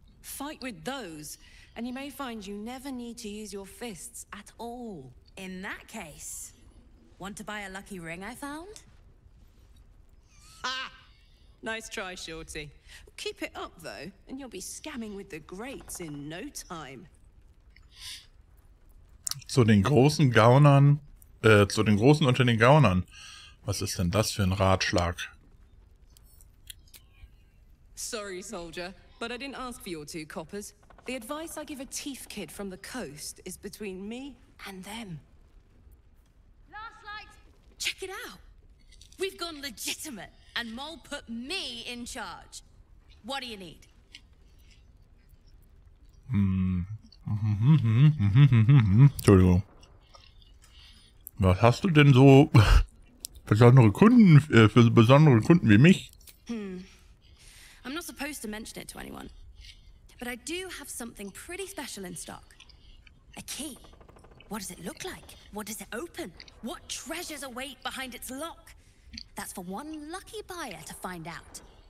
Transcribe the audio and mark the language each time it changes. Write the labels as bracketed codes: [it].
[en] Fight with those, and you may find you never need to use your fists at all. In that case, want to buy a lucky ring I found? Ha! Nice try, Shorty. Keep it up, though, and you'll be scamming with the greats in no time. [de] Zu den großen Gaunern, zu den großen unter den Gaunern. Was ist denn das für ein Ratschlag? [en] Sorry, Soldier, but I didn't ask for your two coppers. The advice I give a thief kid from the coast is between me and them. Last light! Check it out! We've gone legitimate, and Mole put me in charge. What do you need? [de] Entschuldigung. Was hast du denn so besondere Kunden für besondere Kunden wie mich? [en] I'm not supposed to mention it to anyone. But I do have something pretty special in stock. A key. What does it look like? What does it open? What treasures await behind its lock? That's for one lucky buyer to find out.